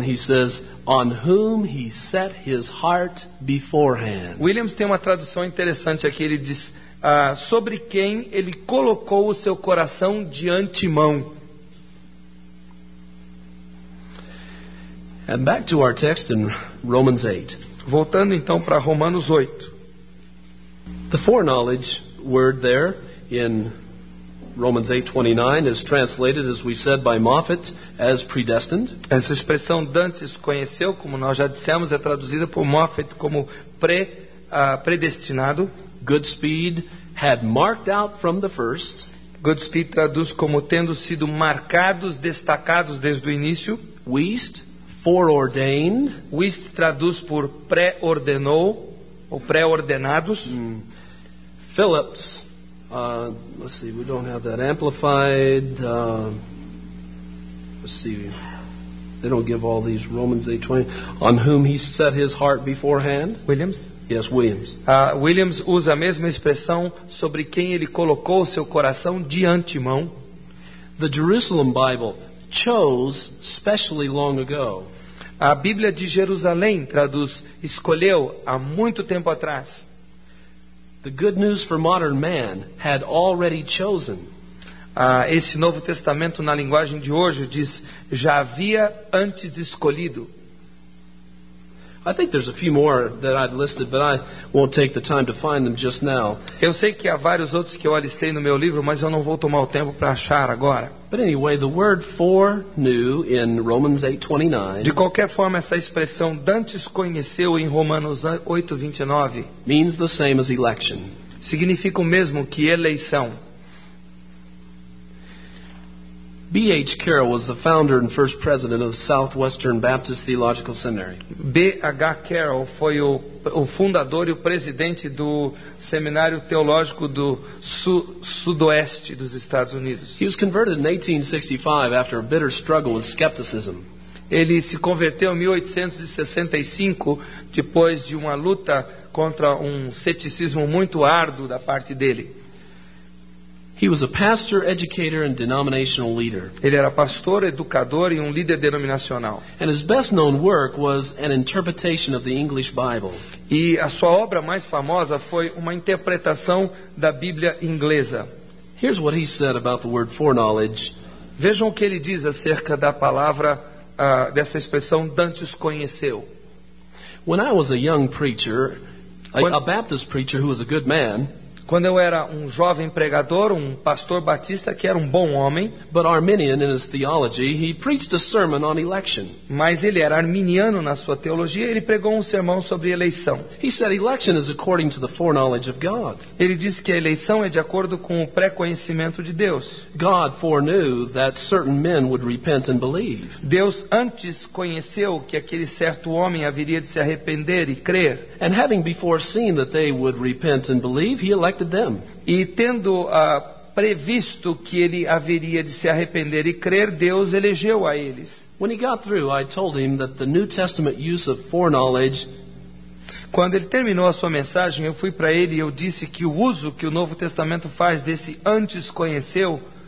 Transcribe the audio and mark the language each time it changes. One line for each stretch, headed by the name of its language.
English: He says, on whom he set his heart beforehand.
Portuguese: Williams tem uma tradução interessante aqui. Ele diz, sobre quem ele colocou o seu coração de antemão.
English: And back to our text in Romans 8.
Portuguese: Voltando então para Romanos 8.
English: The foreknowledge word there in Romans 8:29 is translated, as we said, by Moffat as predestined.
Portuguese: Essa expressão dantes conheceu, como nós já dissemos, é traduzida por Moffat como predestinado.
English: Goodspeed had marked out from the first.
Portuguese: Goodspeed traduz como tendo sido marcados, destacados desde o início.
English: Wiest, foreordained.
Portuguese: Wiest traduz por pré-ordenou ou pré-ordenados.
English: Phillips. Let's see, we don't have that amplified. Let's see, they don't give all these Romans 8:20. On whom he set his heart beforehand. Williams? Yes, Williams.
Portuguese: Williams usa a mesma expressão sobre quem ele colocou o seu coração de antemão.
English: The Jerusalem Bible chose specially long ago.
Portuguese: A Bíblia de Jerusalém traduz, escolheu há muito tempo atrás.
English: The good news for modern man had already chosen.
Portuguese: Esse Novo Testamento na linguagem de hoje diz já havia antes escolhido.
English: I think there's a few more that I've listed, but I won't take the time to find them just now.
Portuguese: Eu sei que há vários outros que eu alistei no meu livro, mas eu não vou tomar o tempo para achar agora.
English: But anyway, the word foreknew in Romans 8:29.
Portuguese: De qualquer forma, essa expressão dantes conheceu em Romanos 8:29
English: means the same as election.
Portuguese: Significa o mesmo que eleição.
English: B.H. Carroll was the founder and first president of the Southwestern Baptist Theological Seminary.
Portuguese: B.H. Carroll foi o fundador e o presidente do Seminário Teológico do Sudoeste dos Estados Unidos.
English: He was converted in 1865 after a bitter struggle with skepticism.
Portuguese: Ele se converteu em 1865 depois de uma luta contra um ceticismo muito árduo da parte dele.
English: He was a pastor, educator, and denominational leader.
Portuguese: Ele era pastor, educador e um líder denominacional.
English: And his best-known work was an interpretation of the English Bible.
Portuguese: E a sua obra mais famosa foi uma interpretação da Bíblia inglesa.
English: Here's what he said about the word foreknowledge.
Portuguese: Vejam o que ele diz acerca da palavra, dessa expressão, dantes conheceu.
English: When I was a young preacher, a Baptist preacher who was a good man.
Portuguese: Quando eu era um jovem pregador, um pastor batista que era um bom homem,
English: but Arminian in his theology, he preached a sermon on election.
Portuguese: Mas ele era arminiano na sua teologia, ele pregou um sermão sobre eleição.
English: He said election is according to the foreknowledge of God.
Portuguese: Ele disse que a eleição é de acordo com o pré-conhecimento de Deus.
English: God foreknew that certain men would repent and believe.
Portuguese: Deus antes conheceu que aquele certo homem haveria de se arrepender e crer.
English: And having before seen that they would repent and believe, he elected them.
Portuguese: E tendo previsto que ele haveria de se arrepender e crer, Deus elegeu a eles.
English: When he got through, I told him that the New Testament use of foreknowledge.
Portuguese: Quando ele terminou a sua mensagem, eu fui para ele e eu disse que o uso que o Novo Testamento faz desse antes conheceu